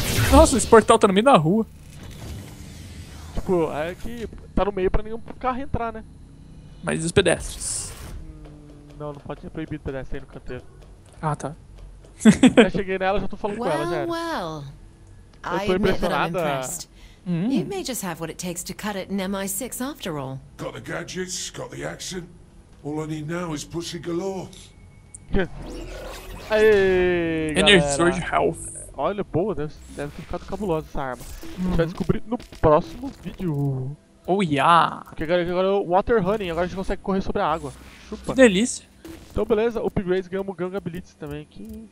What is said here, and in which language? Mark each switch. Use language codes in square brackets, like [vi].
[pt] Nossa, esse portal tá no meio da rua. Tipo, é que tá no meio pra nenhum carro entrar, né? Mas e os pedestres? Não, não pode ser proibido pedestre aí no canteiro. Ah, tá. Já cheguei nela, já tô falando com ela, já era. [en] Well, well. [pt] Eu tô impressionada. [en] You may just have what it takes to cut it in MI6 after all. Got the gadgets, got the accent. All I need now is pussy galore. [pt] Aê, galera. [en] Energy surge health. [pt] Olha, boa, deve ter ficado cabulosa essa arma. A gente vai descobrir no próximo vídeo. [en] Oh, yeah. [pt] Porque agora é water running, agora a gente consegue correr sobre a água. Chupa. Que delícia. Então beleza, upgrades, ganhamos Gang Abilities também aqui.